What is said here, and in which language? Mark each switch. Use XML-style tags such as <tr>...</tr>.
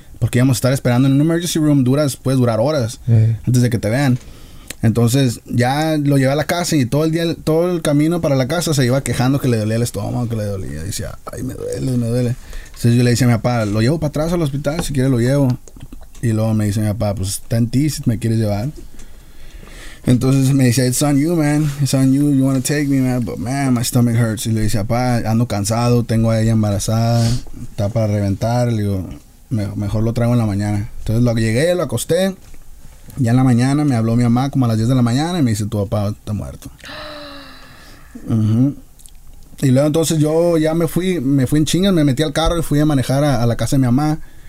<es>Porque íbamos a estar esperando en un emergency room, puede durar horas antes de que te vean. Entonces ya lo llevé a la casa y todo el camino para la casa se iba quejando que le dolía el estómago, que le dolía. Decía, ay, me duele. Entonces yo le decía a mi papá, lo llevo para atrás al hospital, si quiere lo llevo. Y luego me dice mi papá, pues está en ti si me quieres llevar. Entonces me dice,</es> <en>it's on you, you want to take me, man. But man, my stomach hurts.</en> <es>Y le dice, papá, ando cansado, tengo a ella embarazada, está para reventar. Le digo, mejor lo traigo en la mañana. Entonces lo llegué, lo acosté. Ya en la mañana me habló mi mamá como a las 10 de la mañana y me dice, tu papá está muerto. Y luego entonces yo ya me fui en chingas, me metí al carro y fui a manejar a la casa de mi mamá.</es>